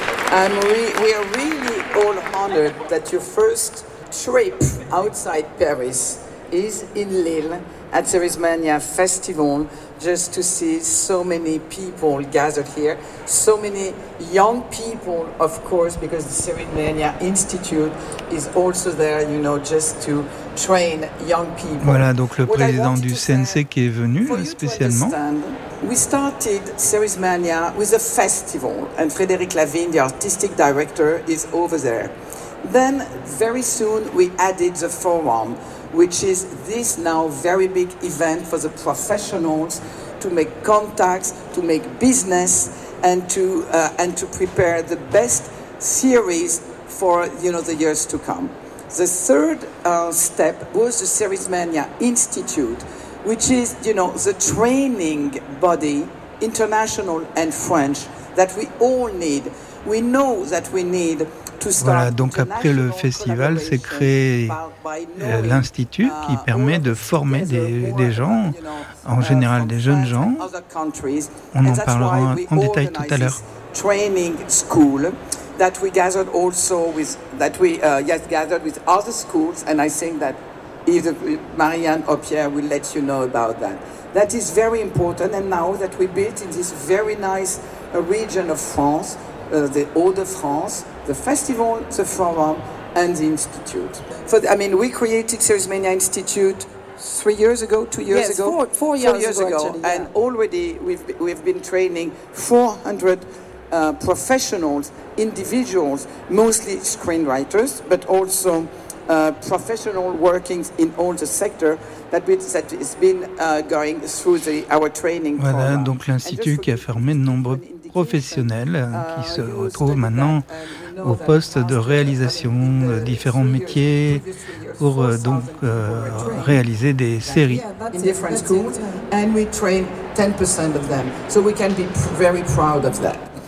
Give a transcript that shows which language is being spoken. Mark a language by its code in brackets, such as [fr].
[en] And we are really all honored that your first trip outside Paris is in Lille at Cerimania Festival, just to see so many people gathered here, so many young people, of course, because the Cerimania Institute is also there, you know, just to train young people. [fr] Voilà, donc le président du CNC qui est venu spécialement. [en] We started Cerimania with a festival, and Frédéric Lavigne, the artistic director, is over there. Then, very soon, we added the forum, which is this now very big event for the professionals to make contacts, to make business, and to prepare the best series for, you know, the years to come. The third step was the Cerimania Institute, which is, you know, the training body, international and French, that we all need. We know that we need [fr] Voilà, donc après le festival, s'est créé l'institut qui permet de former des gens, en général des jeunes gens. On en parlera en détail tout à l'heure. [en] Training school that we gathered also with that we yes gathered with other schools, and I think that either Marianne or Pierre will let you know about that. That is very important, and now that we built in this very nice region of France, the Hauts-de-France, the festival, the forum, and the institute. For the, I mean, we created Series Mania Institute 3 years ago, four years ago, and already we've been training 400 professionals, individuals, mostly screenwriters, but also professional working in all the sector that has been going through the, our training. [fr] Voilà, donc l'institut qui a formé de nombreux professionnels qui se retrouvent maintenant au poste de réalisation de différents métiers pour donc réaliser des séries. [en] In different schools, and we train 10% of them, so we can be very proud of that.